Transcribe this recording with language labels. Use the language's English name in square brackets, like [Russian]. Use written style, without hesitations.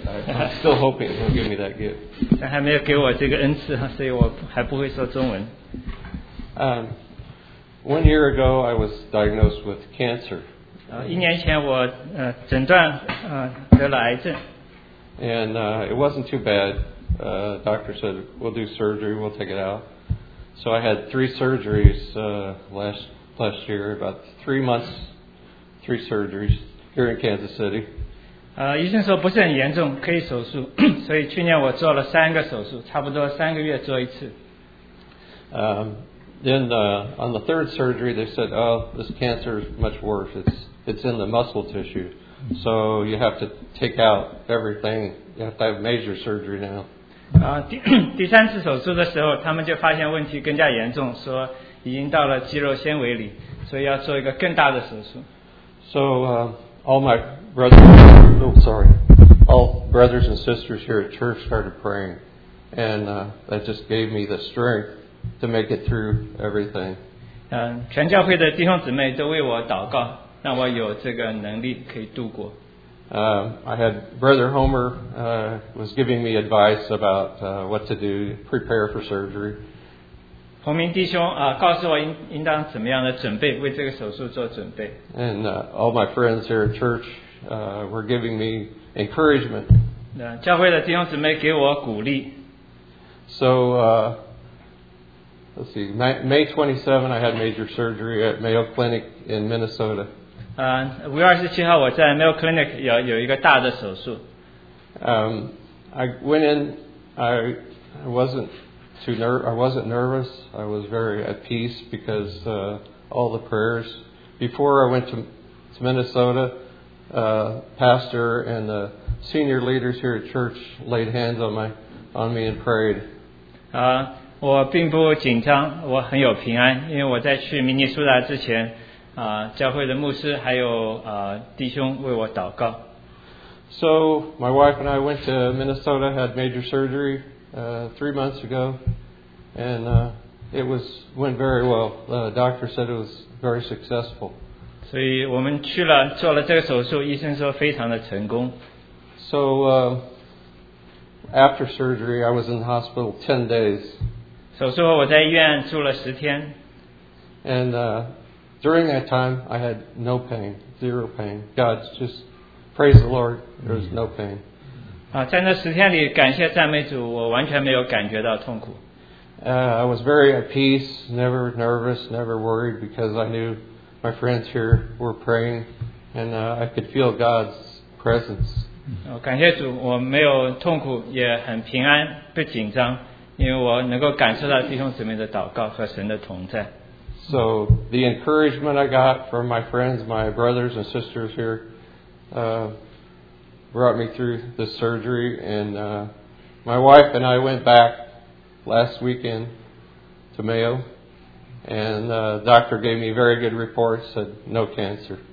[English] I'm still hoping He'll give me that gift. [Chinese] 他还没有给我这个恩赐，所以我还不会说中文。 [English] One year ago, I was diagnosed with cancer. [Chinese] 一年前我诊断得了癌症。 [English] And it wasn't too bad. Doctor said we'll do surgery, we'll take it out. So I had three surgeries last year, about three surgeries here in Kansas City. [Chinese] 医生说不是很严重，可以手术，所以去年我做了三个手术，差不多三个月做一次。 [English] Then on the third surgery, they said, "Oh, this cancer is much worse. It's in the muscle tissue, so you have to take out everything. You have to have major surgery now." [Chinese] 第三次手术的时候，他们就发现问题更加严重，说已经到了肌肉纤维里，所以要做一个更大的手术。 [English] So all brothers and sisters here at church started praying, and that just gave me the strength to make it through everything. [Chinese] 全教会的弟兄姊妹都为我祷告，让我有这个能力可以度过。 [English] I had Brother Homer was giving me advice about what to do, prepare for surgery. [Chinese] 洪明弟兄告诉我应当怎么样的准备，为这个手术做准备。 [English] And all my friends here at church were giving me encouragement. [Chinese] 教会的弟兄姊妹给我鼓励。 [English] So, let's see, May 27, I had major surgery at Mayo Clinic in Minnesota. [Chinese] 5月27号我在 Mayo Clinic 有一个大的手术。 [English] I went in, I wasn't nervous. I was very at peace because all the prayers. Before I went to Minnesota, pastor and the senior leaders here at church laid hands on me and prayed. [Chinese] 我并不紧张，我很有平安，因为我在去明尼苏达之前，教会的牧师还有弟兄为我祷告。 [English] So my wife and I went to Minnesota, had major surgery. 3 months ago, and it was went very well. The doctor said it was very successful. [Chinese] 所以我们去了，做了这个手术，医生说非常的成功。 [English] So after surgery, I was in the hospital 10 days. [Chinese] 手术后我在医院住了十天。 [English] And during that time, I had no pain, zero pain. God, just praise the Lord, there was no pain. [Chinese] 在那十天里，感谢赞美主，我完全没有感觉到痛苦。 [English] I was very at peace, never nervous, never worried, because I knew my friends here were praying, and I could feel God's presence. [Chinese] 感谢主，我没有痛苦，也很平安，不紧张，因为我能够感受到弟兄姊妹的祷告和神的同在。 [English] So the encouragement I got from my friends, my brothers and sisters here, brought me through the surgery, and my wife and I went back last weekend to Mayo, and the doctor gave me a very good report, said no cancer.